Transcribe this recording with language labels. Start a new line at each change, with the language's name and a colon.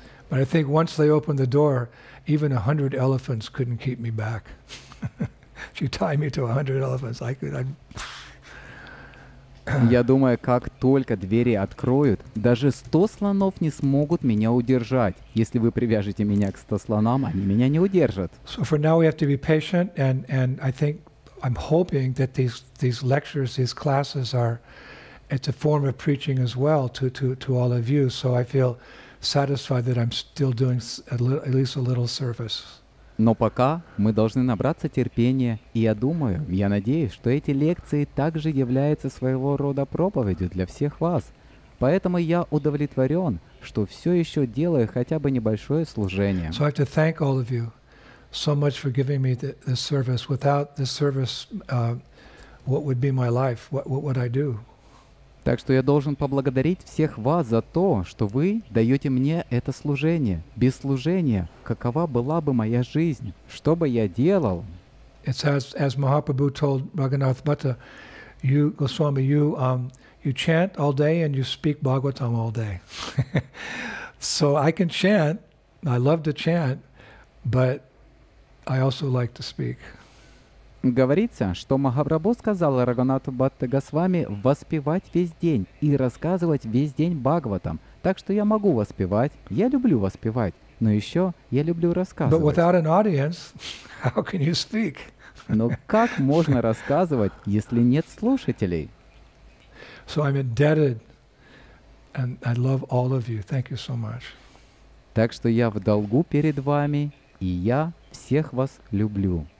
English: But I think once they open the door, even 100 elephants couldn't keep me back. If you tie me to 100 elephants, I could...
Russian: Я думаю, как только двери откроют, даже 100 слонов не смогут меня удержать. Если вы привяжете меня к 100 слонам, они меня не удержат.
English: So for now we have to be patient, and I think, I'm hoping that these lectures, these classes are... It's a form of preaching as well to all of you, so I feel satisfied that I'm still doing at least a little service.
Russian: Но пока мы должны набраться терпения, и я думаю, я надеюсь, что эти лекции также являются своего рода проповедью для всех вас. Поэтому я удовлетворен, что все еще делаю хотя бы небольшое служение.
English: So I have to thank all of you so much for giving me this service. Without this service, what would be my life? What would I do?
Russian: Так что я должен поблагодарить всех вас за то, что вы даете мне это служение. Без служения, какова была бы моя жизнь? Что бы я делал?
English: It's as Mahaprabhu told Raghunath Bhatta, you, Goswami, you chant all day and you speak Bhagavatam all day. So I can chant, I love to chant, but I also like to speak.
Russian: Говорится, что Махапрабху сказал Рагханату Бхатта Госвами воспевать весь день и рассказывать весь день Бхагаватам. Так что я могу воспевать, я люблю воспевать, но еще я люблю рассказывать.
English: But without an audience, how can you speak?
Russian: Но как можно рассказывать, если нет слушателей?
English: So I'm indebted, and I love all of you. Thank you so much.
Russian: Так что я в долгу перед вами, и я всех вас люблю.